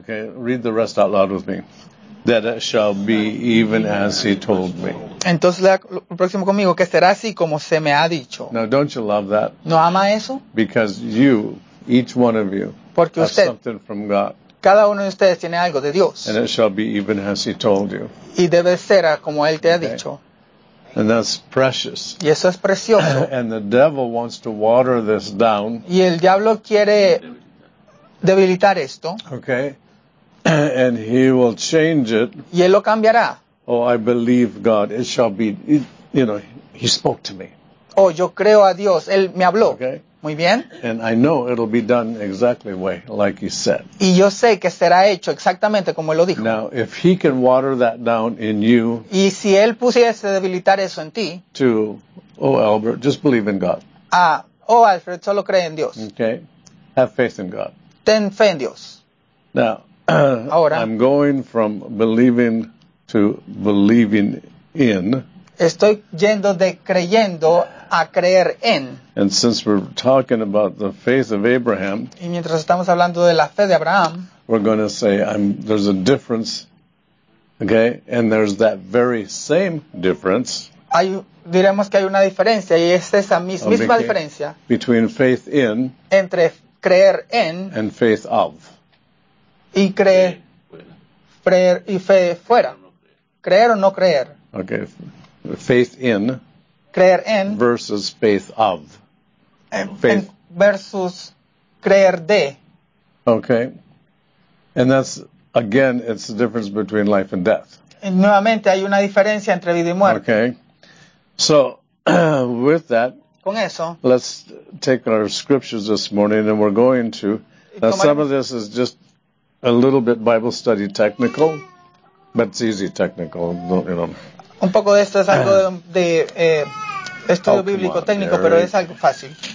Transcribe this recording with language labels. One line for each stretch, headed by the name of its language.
English: Okay, read the rest out loud with me. That it shall be even as he told me.
Spanish: Entonces, lo próximo conmigo, que será así como se me ha dicho.
English: Now, don't you love that?
Spanish: ¿No ama eso?
English: Because you, each one of you,
Spanish: porque
English: have
Spanish: usted,
English: something from God.
Spanish: Cada uno de ustedes tiene algo de Dios.
English: And it shall be even as he told you.
Spanish: Y debe ser como él te ha dicho.
English: And that's precious.
Spanish: Y eso es precioso.
English: And the devil wants to water this down.
Spanish: Y el diablo quiere debilitar esto.
English: Okay. And he will change it.
Spanish: Y él lo cambiará.
English: Oh, I believe God. It shall be, you know, he spoke to me.
Spanish: Oh, yo creo a Dios. Él me habló.
English: Okay.
Spanish: Muy bien.
English: And I know it'll be done exactly way, like he said.
Spanish: Y yo sé que será hecho exactamente como él lo dijo.
English: Now, if he can water that down in you.
Spanish: Y si él pudiese debilitar eso en ti.
English: To, oh, Albert, just believe in God.
Spanish: Ah, oh, Alfred, solo cree en Dios.
English: Okay. Have faith in God.
Spanish: ten fe en Dios.
English: Now,
Spanish: ahora,
English: I'm going from believing to believing in.
Spanish: Estoy yendo de creyendo a creer en.
English: And since we're talking about the faith of Abraham,
Spanish: y mientras estamos hablando de la fe de Abraham,
English: we're going to say there's a difference, okay? And there's that very same difference.
Spanish: Diremos que hay una diferencia y es esa misma diferencia
English: between faith in
Spanish: entre creer en
English: and faith of
Spanish: y creer y fe fuera, creer o no creer.
English: Okay, faith in
Spanish: creer en
English: versus faith of faith
Spanish: versus creer de.
English: Okay, and that's again, it's the difference between life and death.
Spanish: Y nuevamente hay una diferencia entre vida y muerte.
English: Okay. So, with that,
Spanish: con eso,
English: let's take our scriptures this morning, and we're going to. Now, some of this is just a little bit Bible study technical, but it's easy technical, you know.
Spanish: Un poco de esto es algo de estudio bíblico técnico, pero es algo fácil.